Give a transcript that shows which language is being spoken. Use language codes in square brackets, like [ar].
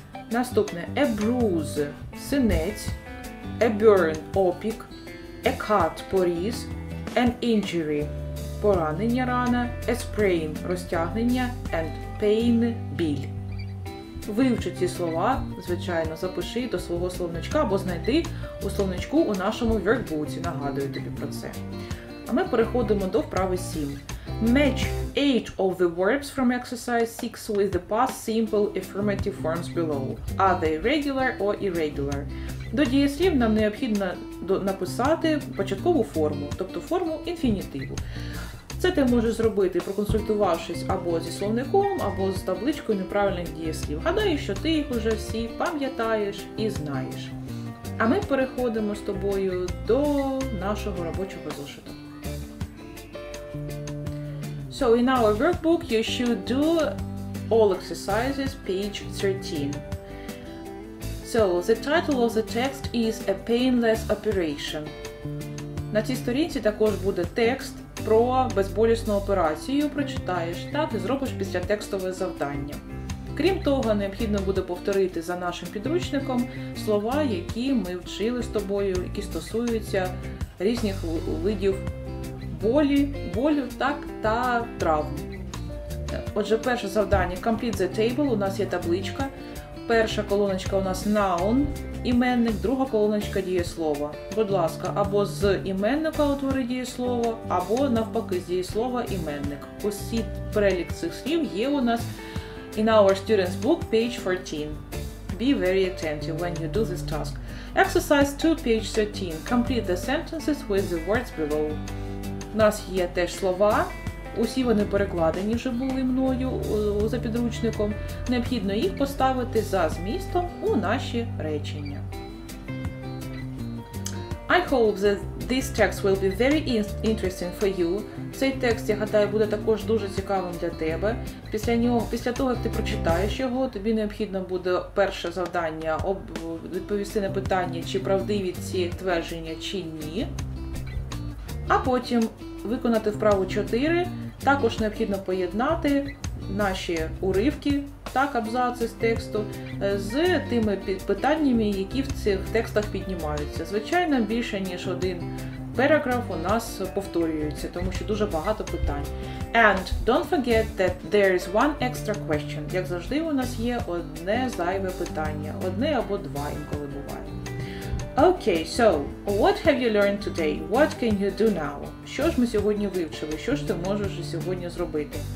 [en] Наступне – a bruise – синець, a burn – опік, a cut – поріз, an injury – поранення рана, a sprain – розтягнення, and pain – біль. [uk] Вивчи ці слова, звичайно, запиши до свого словничка або знайди у словничку у нашому Вірбуці, нагадую тобі про це. А ми переходимо до вправи 7. [en] Match 8 of the verbs from exercise 6 with the past simple affirmative forms below. Are they regular or irregular? [uk] До дієслів нам необхідно написати початкову форму, тобто форму інфінітиву. Це ти можеш зробити, проконсультувавшись або зі словником, або з табличкою неправильних дієслів. Гадаю, що ти їх уже всі пам'ятаєш і знаєш. А ми переходимо з тобою до нашого робочого зошита. [en] So in our workbook you should do all exercises, page 13. So the title of the text is A Painless Operation. [uk] На цій сторінці також буде текст про безболісну операцію, прочитаєш, так, і зробиш після текстове завдання. Крім того, необхідно буде повторити за нашим підручником слова, які ми вчили з тобою, які стосуються різних видів болю, так, та травм. Отже, перше завдання – [en] complete the table, [uk] у нас є табличка. Перша колоночка у нас – noun, іменник, друга колоночка – дієслово. Будь ласка, або з іменника утвори дієслово, або навпаки з дієслова – іменник. Усі перелік цих слів є у нас [en] in our student's book, page 14. Be very attentive when you do this task. Exercise 2, page 13. Complete the sentences with the words below. [uk] У нас є теж слова. Усі вони перекладені вже були мною за підручником. Необхідно їх поставити за змістом у наші речення. [en] I hope that this text will be very interesting for you. [uk] Цей текст, я гадаю, буде також дуже цікавим для тебе. Після того, як ти прочитаєш його, тобі необхідно буде перше завдання відповісти на питання, чи правдиві ці твердження, чи ні. А потім виконати вправу 4. Також необхідно поєднати наші уривки, так, абзаци з тексту, з тими питаннями, які в цих текстах піднімаються. Звичайно, більше ніж один параграф у нас повторюється, тому що дуже багато питань. [en] And don't forget that there is one extra question. [uk] Як завжди, у нас є одне зайве питання, одне або два інколи буває. [en] Okay, so, what have you learned today? What can you do now? [uk] Що ж ми сьогодні вивчили? Що ж ти можеш сьогодні зробити?